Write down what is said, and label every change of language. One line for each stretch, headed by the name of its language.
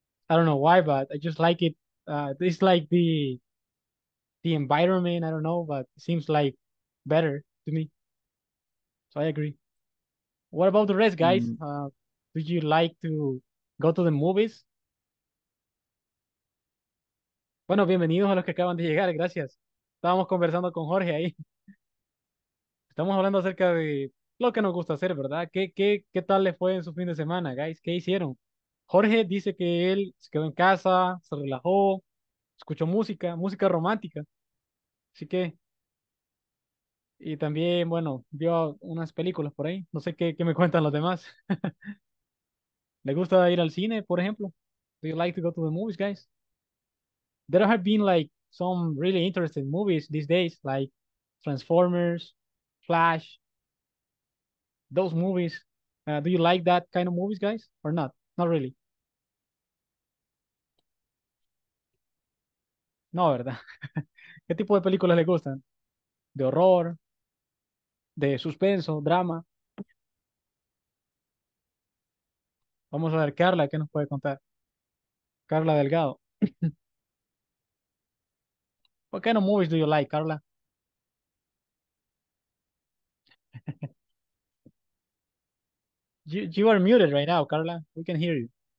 English: I don't know why, but I just like it. It's like the environment, I don't know, but it seems like better to me. So I agree. What about the rest, guys? Would you like to go to the movies?
Spanish: Bueno, bienvenidos a los que acaban de llegar. Gracias. Estábamos conversando con Jorge ahí. Estamos hablando acerca de lo que nos gusta hacer, ¿verdad? ¿Qué tal les fue en su fin de semana, guys? ¿Qué hicieron? Jorge dice que él se quedó en casa, se relajó, escuchó música, música romántica. Así que. Y también, bueno, vio unas películas por ahí. No sé qué me cuentan los demás. ¿Le gusta ir al cine, por ejemplo?
English: Do you like to go to the movies, guys? There have been like some really interesting movies these days, like Transformers, Flash, those movies. Do you like that kind of movies, guys, or not? Not really.
Spanish: No, ¿verdad? ¿Qué tipo de películas le gustan? De horror, de suspenso, drama. Vamos a ver, Carla, ¿qué nos puede contar? Carla Delgado.
English: What kind of movies do you like, Carla? You are muted right now, Carla. We can hear you.